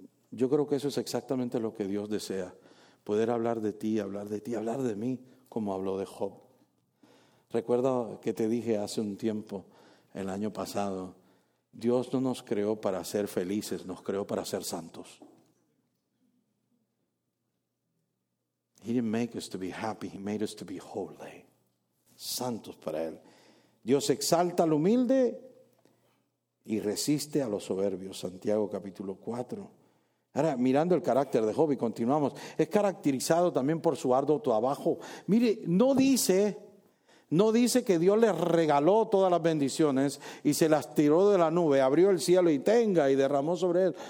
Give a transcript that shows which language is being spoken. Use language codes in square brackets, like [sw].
[es] Yo creo que eso es exactamente lo que Dios desea. Poder hablar de ti, hablar de ti, hablar de mí, como habló de Job. Recuerda que te dije hace un tiempo, el año pasado, Dios no nos creó para ser felices, nos creó para ser santos. [en] He didn't make us to be happy, he made us to be holy. [es] Santos para Él. Dios exalta al humilde y resiste a los soberbios. Santiago capítulo 4. Ahora, mirando el carácter de Job, y continuamos, es caracterizado también por su arduo trabajo. Mire, no dice que Dios le regaló todas las bendiciones y se las tiró de la nube, abrió el cielo y tenga y derramó sobre él.